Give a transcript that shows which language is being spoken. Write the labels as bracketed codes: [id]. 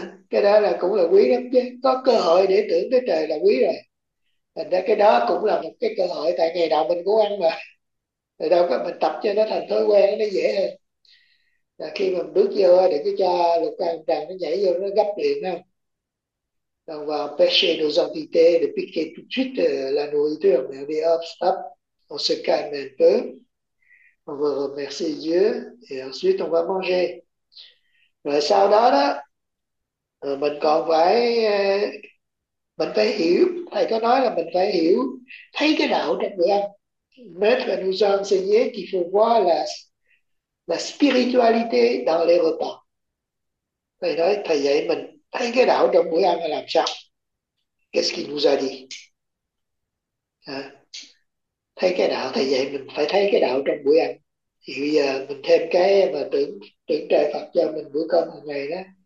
[vi] Cái đó là cũng là quý lắm chứ, có cơ hội để tưởng tới trời là quý rồi. Thành ra cái đó cũng là một cái cơ hội, tại ngày nào mình cũng ăn mà. Thì đâu có, mình tập cho nó thành thói quen nó dễ hơn. Là khi mình bước vô để cái cho lục căn trần nó nhảy vô nó gấp liền không? [fr] Donc va pêcher nos entités de piquer tout de suite la nourriture, mais oui, hop, stop, on se calme un peu, on va remercier Dieu et ensuite on va manger. [vi] Rồi sau đó đó, mình còn phải mình phải hiểu, thầy có nói là mình phải hiểu thấy cái đạo trong bữa ăn. [fr] Maître nous a enseigné qu'il faut voir la spiritualité dans les repas. [vi] Thầy nói, thầy dạy mình thấy cái đạo trong bữa ăn là làm sao? [fr] Qu'est-ce qu'il nous a dit? [vi] À, thấy cái đạo, thầy dạy mình phải thấy cái đạo trong bữa ăn. Thì bây giờ mình thêm cái mà tưởng tưởng trời Phật cho mình bữa cơm hàng ngày đó.